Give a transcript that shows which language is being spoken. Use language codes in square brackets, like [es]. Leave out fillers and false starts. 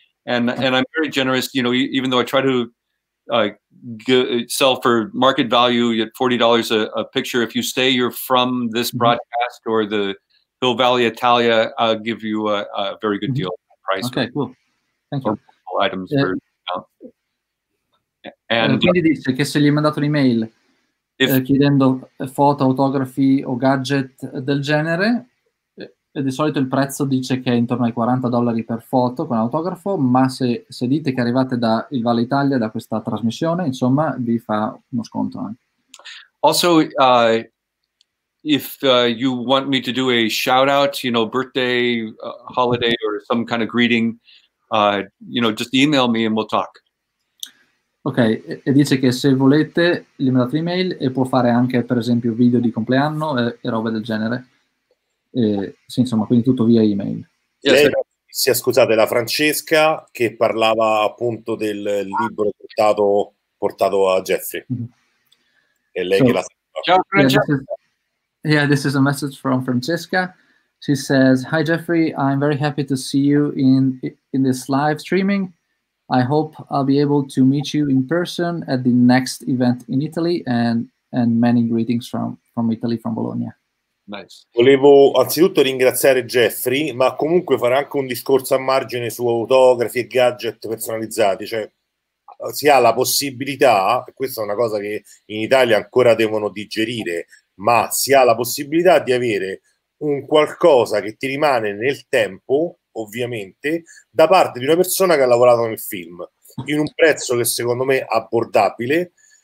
[en] And I'm very generous, you know, even though I try to sell for market value at $40 a picture, if you say you're from this broadcast or the Hill Valley Italia, I'll give you a very good deal at price. Okay, cool. Items [it] quindi dice che se gli hai mandato un'email chiedendo foto, autografi o gadget del genere, e di solito il prezzo dice che è intorno ai $40 per foto con autografo, ma se dite che arrivate da Il Valle Italia, da questa trasmissione, insomma, vi fa uno sconto anche. [en] Also, if you want me to do a shout out, you know, birthday, holiday or some kind of greeting, you know, just email me and we'll talk. [it] Ok, e dice che se volete gli mandate email e può fare anche, per esempio, video di compleanno e robe del genere. Sì, insomma, quindi tutto via email. Scusate, la Francesca che parlava appunto del libro portato a Jeffrey. Mm-hmm. E lei che la Ciao Francesca. [en] This is a message from Francesca. She says, "Hi Jeffrey, I'm very happy to see you in this live streaming. I hope I'll be able to meet you in person at the next event in Italy and many greetings from Italy, from Bologna." Nice. [it] Volevo anzitutto ringraziare Jeffrey, ma comunque fare anche un discorso a margine su autografi e gadget personalizzati. Cioè, si ha la possibilità, questa è una cosa che in Italia ancora devono digerire, ma si ha la possibilità di avere un qualcosa che ti rimane nel tempo, ovviamente, da parte di una persona che ha lavorato nel film, in un prezzo che secondo me è abbordabile.